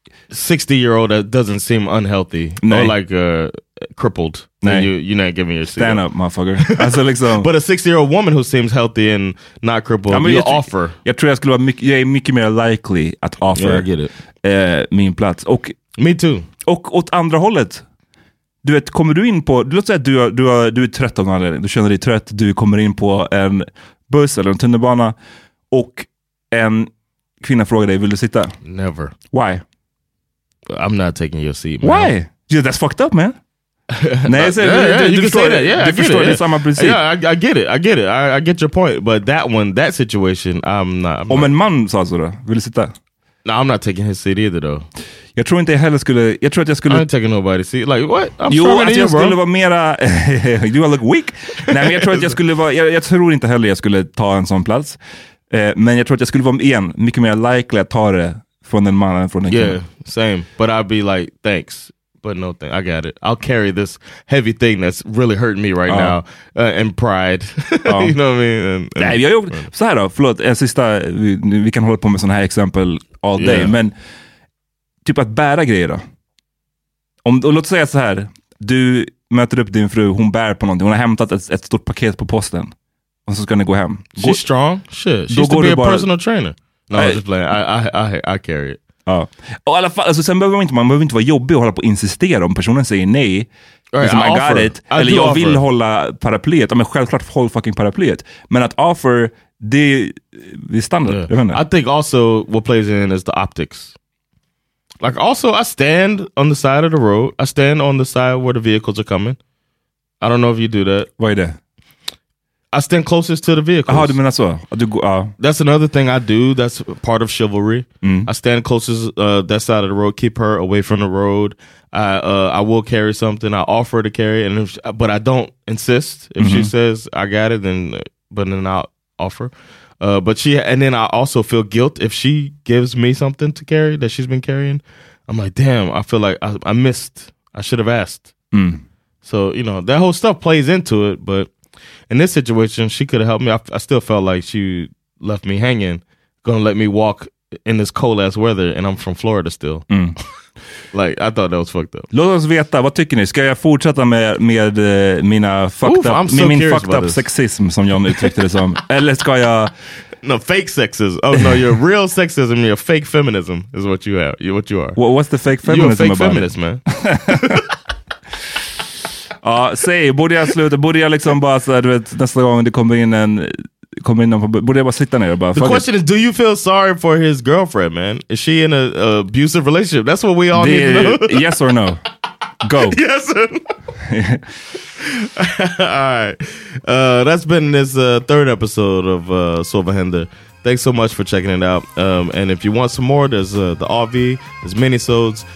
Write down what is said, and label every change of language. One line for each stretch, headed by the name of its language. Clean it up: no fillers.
English: 60-year-old that doesn't seem unhealthy.
Swedish: Nej.
English: Or like crippled.
Swedish: Nej.
English: You're not giving your seat. Stand up, motherfucker.
Swedish: Alltså liksom.
English: But a 60-year-old woman who seems healthy and not crippled, ja, you offer.
Swedish: Jag tror jag skulle vara mycket, mer likely att offer,
English: yeah, I get it.
Swedish: Min plats. Och,
English: me too.
Swedish: Och åt andra hållet. Du vet, kommer du in på... Låt säga att du är trött av någon anledning. Du känner dig trött. Du kommer in på en buss eller en tunnelbana. Och en kvinna frågar dig, vill du sitta?
English: Never. Why? I'm not taking your seat, man. Why? Yeah, that's fucked up, man.
Swedish: Nej, du förstår det. Samma princip.
English: Yeah, I get it. I get your point. But that one, that situation, I'm not.
Swedish: Om en man sa så då, vill du sitta?
English: No, I'm not taking his seat either, though.
Swedish: Jag tror inte jag heller skulle... Jag tror att jag skulle...
English: I ain't taking nobody's seat. Like, what?
Swedish: Jag skulle vara mera...
English: Do I look weak?
Swedish: Nej, men jag tror att jag skulle vara... Jag tror inte heller jag skulle ta en sån plats. Men jag tror att jag skulle vara, igen, mycket mer likely att ta det från en man än från en kvinna.
English: Yeah, same. But I'd be like, thanks. But no thing, I got it. I'll carry this heavy thing that's really hurting me right now. And pride. You know what I mean?
Swedish: Så här då, förlåt. En sista, vi kan hålla på med sån här exempel
English: all day. Yeah.
Swedish: Men typ att bära grejer då? Om, och låt säga så här, du möter upp din fru, hon bär på någonting, hon har hämtat ett stort paket på posten och så ska ni gå hem.
English: She's strong. Shit. She's då to går be a bara, personal trainer. No, I'm just playing. I carry it.
Swedish: Ja. Och i alla fall, alltså, sen behöver man behöver inte vara jobbig och hålla på och insistera om personen säger nej.
English: Right, liksom, I got it.
Swedish: Eller jag
English: offer.
Swedish: Vill hålla paraplyet. Ja, men självklart håll fucking paraplyet. Men att offer, det är standard.
English: Yeah.
Swedish: Jag vet
English: inte. I think also what plays in is the optics. Like also, I stand on the side of the road. I stand on the side where the vehicles are coming. I don't know if you do that. Why that? I stand closest to the vehicles.
Swedish: Aha, du menar så.
English: That's another thing I do. That's part of chivalry. Mm. I stand closest that side of the road. Keep her away from the road. I will carry something. I offer to carry, and if she, but I don't insist. If mm-hmm. she says I got it, then I'll offer. But she, and then I also feel guilt if she gives me something to carry that she's been carrying. I'm like, damn, I feel like I missed. I should have asked. Mm. So, you know, that whole stuff plays into it. But in this situation, she could have helped me. I still felt like she left me hanging, gonna let me walk in this cold ass weather. And I'm from Florida still. Mm. Like, I thought that was fucked up.
Swedish: Låt oss veta, vad tycker ni? Ska jag fortsätta med mina fucked up, med min fucked up sexism som John uttryckte det som? Eller ska jag...
English: No, fake sexism. Oh no, your real sexism, your fake feminism is what you have. What you are. What's the fake feminism about? You're a fake feminist, man.
Swedish: Ja, säg, borde jag sluta? Borde jag liksom bara så här, du vet, nästa gång det kommer in någon, borde jag bara sitta ner och bara,
English: the question it. Is, do you feel sorry for his girlfriend, man? Is she in an abusive relationship? That's what we all need to know. Yes or no? Go. Yes or no? All right. That's been this third episode of Sova Händer. Thanks so much for checking it out. And if you want some more, there's the RV, there's mini-sodes.